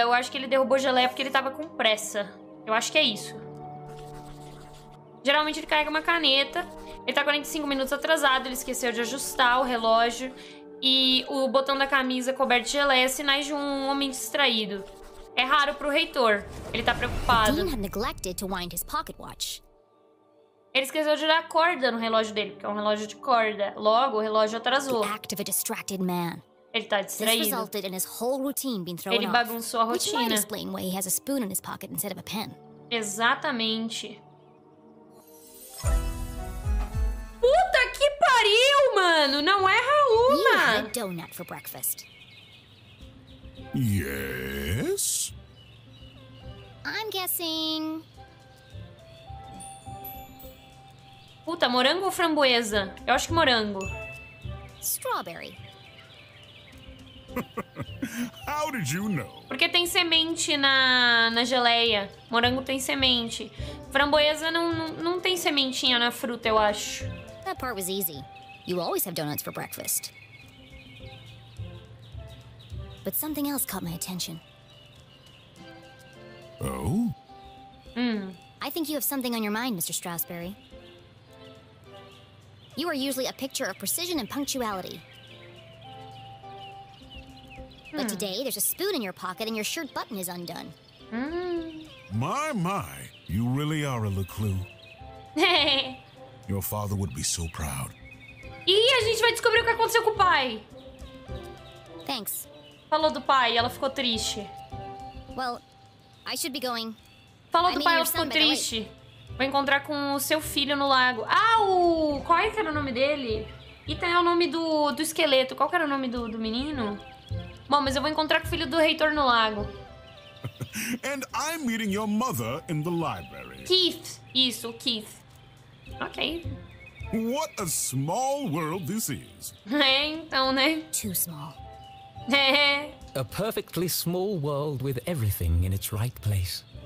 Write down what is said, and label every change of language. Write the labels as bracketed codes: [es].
[pt] Eu acho que ele derrubou geleia porque ele estava com pressa. Eu acho que é isso. Geralmente ele carrega uma caneta. Ele está 45 minutos atrasado, ele esqueceu de ajustar o relógio. E o botão da camisa coberto de geleia é sinais de um homem distraído. É raro para o reitor. Ele está preocupado. [en] Dean had neglected to wind his pocket watch. [pt] Ele esqueceu de dar corda no relógio dele, porque é um relógio de corda. Logo, o relógio atrasou. [en] The act of a distracted man. [pt] Ele tá distraído. [en] This resulted in his whole routine being thrown [pt] off. Ele bagunçou a rotina. [en] Which explains why he has a spoon in his pocket instead of a pen. [pt] Exatamente. Puta que pariu, mano! Não erra uma! [en] You had a donut for breakfast. Yes? I'm guessing... [pt] Puta, morango ou framboesa? Eu acho que morango. [en] Strawberry. How did you know? [pt] Porque tem semente na geleia. Morango tem semente. Framboesa não tem sementinha na fruta, eu acho. [en] That part was easy. You always have donuts for breakfast. But something else caught my attention. Oh? I think you have something on your mind, Mr. Strawsberry. You are usually a picture of precision and punctuality. But today, there's a spoon in your pocket and your shirt button is undone. My, you really are a Leclue. Your father would be so proud. [pt] E a gente vai descobrir o que aconteceu com o pai. [en] Thanks. [pt] Falou do pai, ela ficou triste. [en] Well, I should be going. [pt] Falou do pai, ela ficou triste. Vou encontrar com o seu filho no lago. Ah, o... Qual é que era o nome dele? Ethan é o nome do esqueleto. Qual era o nome do menino? Bom, mas eu vou encontrar com o filho do reitor no lago. [en] And I'm meeting your mother in the library. [pt] Keith. Isso, Keith. Ok. [en] What a small world this is. [pt] É, então, né? [en] Too small. A perfectly small world with everything in its right place.